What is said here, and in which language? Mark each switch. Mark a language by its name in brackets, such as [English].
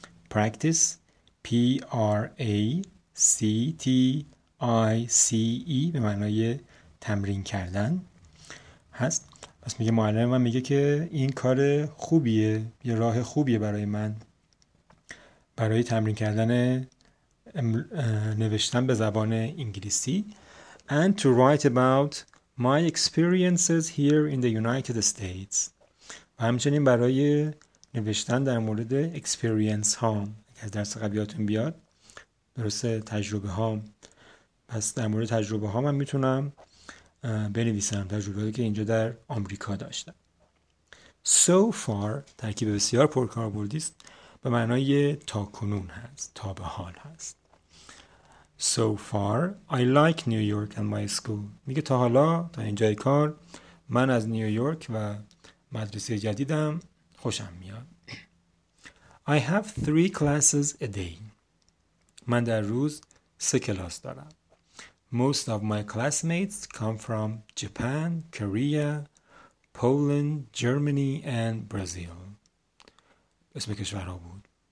[English] Practice, practice [Persian] به معنای تمرین کردن هست. پس میگه معلم من میگه که این کار خوبیه، یه راه خوبیه برای من برای تمرین کردن نوشتن به زبان انگلیسی. [English] And to write about my experiences here in the United States. [Persian] و همچنین برای نوشتن در مورد experience هام. اگر درس قبلیاتون بیاد، درسته تجربه هام. پس در مورد تجربه هام هم میتونم بنویسم. تجربه هایی که اینجا در آمریکا داشتم. [English] So far، [Persian] ترکیب بسیار پرکاربردی است، به معنای تا کنون هست، تا به حال هست. [English] So far, I like New York and my school. [Persian] میگه تا حالا، تا اینجای کار، من از نیویورک و مدرسه جدیدم خوشم میاد. [English] I have 3 classes a day. [Persian] من در روز 3 کلاس دارم. [English] Most of my classmates come from Japan, Korea, Poland, Germany and Brazil. [Persian] اسم کشورها بود.